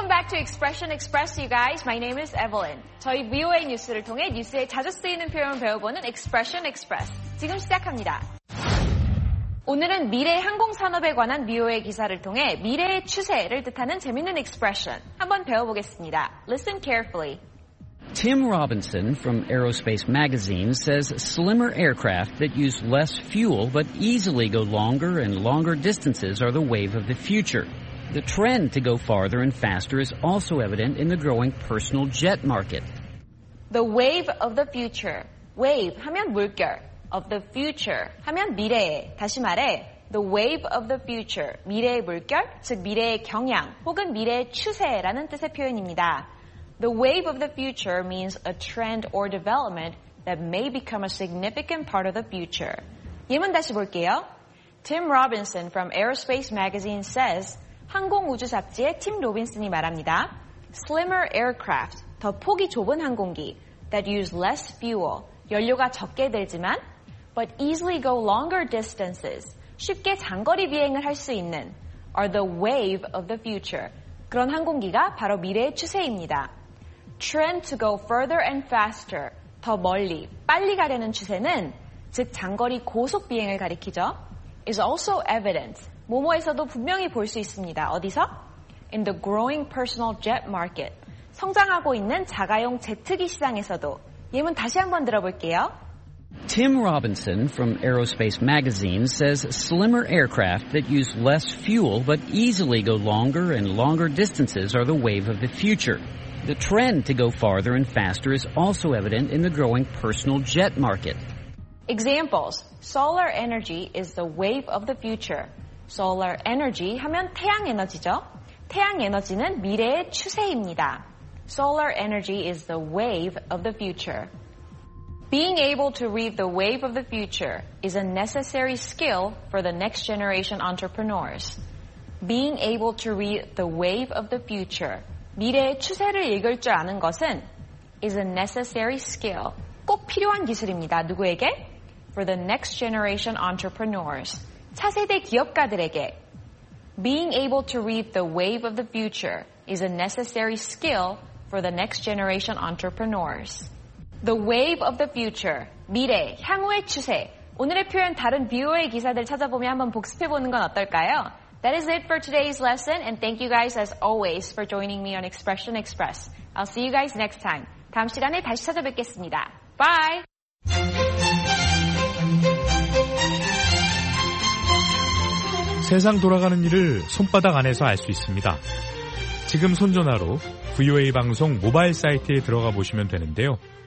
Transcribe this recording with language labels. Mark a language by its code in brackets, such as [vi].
[en] To Expression Express, you guys. My name is Evelyn. [ko] 저희 VOA 뉴스를 통해 뉴스에 자주 쓰이는 표현을 배워보는 Expression Express. 지금 시작합니다. 오늘은 미래 항공산업에 관한 VOA 기사를 통해 미래의 추세를 뜻하는 재밌는 expression 한번 배워보겠습니다. [en] Listen carefully. Tim Robinson from Aerospace Magazine says slimmer aircraft that use less fuel but easily go longer and longer distances are the wave of the future. The trend to go farther and faster is also evident in the growing personal jet market. The wave of the future. Wave [ko] 하면 물결. [en] Of the future [ko] 하면 미래에. 다시 말해, [en] the wave of the future, [ko] 미래의 물결, 즉 미래의 경향 혹은 미래의 추세라는 뜻의 표현입니다. [en] The wave of the future means a trend or development that may become a significant part of the future. [ko] 예문 다시 볼게요. [en] Tim Robinson from Aerospace Magazine says, [ko] 항공우주잡지의 팀 로빈슨이 말합니다. [en] Slimmer aircraft, [ko] 더 폭이 좁은 항공기, [en] that use less fuel, [ko] 연료가 적게 들지만, [en] but easily go longer distances, [ko] 쉽게 장거리 비행을 할 수 있는, [en] are the wave of the future. [ko] 그런 항공기가 바로 미래의 추세입니다. [en] Trend to go further and faster, [ko] 더 멀리, 빨리 가려는 추세는, 즉 장거리 고속 비행을 가리키죠. [en] is also evident. [ko] 뭐뭐에서도 분명히 볼 수 있습니다. 어디서? [en] In the growing personal jet market. [ko] 성장하고 있는 자가용 제트기 시장에서도. 예문 다시 한번 들어볼게요. [en] Tim Robinson from Aerospace Magazine says slimmer aircraft that use less fuel but easily go longer and longer distances are the wave of the future. The trend to go farther and faster is also evident in the growing personal jet market. Examples. Solar energy is the wave of the future. [ko] Solar energy 하면 태양 에너지죠. 태양 에너지는 미래의 추세입니다. [en] Solar energy is the wave of the future. Being able to read the wave of the future is a necessary skill for the next generation entrepreneurs. Being able to read the wave of the future, [ko] 미래의 추세를 읽을 줄 아는 것은 [en] is a necessary skill. [ko] 꼭 필요한 기술입니다. 누구에게? [en] For the next generation entrepreneurs. [ko] 차세대 기업가들에게 [en] Being able to read the wave of the future is a necessary skill for the next generation entrepreneurs. The wave of the future, [ko] 미래, 향후의 추세. 오늘의 표현 다른 VOA 기사들 찾아보며 한번 복습해보는 건 어떨까요? [en] That is it for today's lesson and thank you guys as always for joining me on Expression Express. I'll see you guys next time. [ko] 다음 시간에 다시 찾아뵙겠습니다. [en] Bye! [ko] 세상 돌아가는 일을 손바닥 안에서 알 수 있습니다. 지금 손전화로 VOA 방송 모바일 사이트에 들어가 보시면 되는데요.